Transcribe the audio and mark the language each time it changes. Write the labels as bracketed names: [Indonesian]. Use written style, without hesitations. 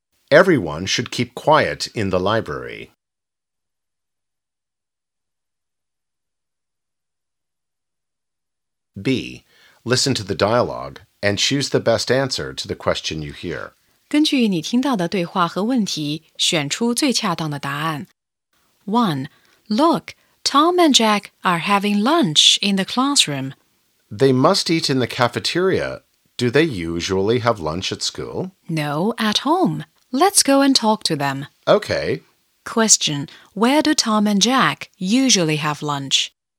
[English] Everyone should keep quiet in the library. B. Listen to the dialogue. And choose the best answer to the question you hear. [Chinese] 根据你听到的对话和问题，选出最恰当的答案。 [English] 1. Look, Tom and Jack are having lunch in the classroom. They must eat in the cafeteria. Do they usually have lunch at school? No, at home. Let's go and talk to them. Okay. Question. Where do Tom and Jack usually have lunch?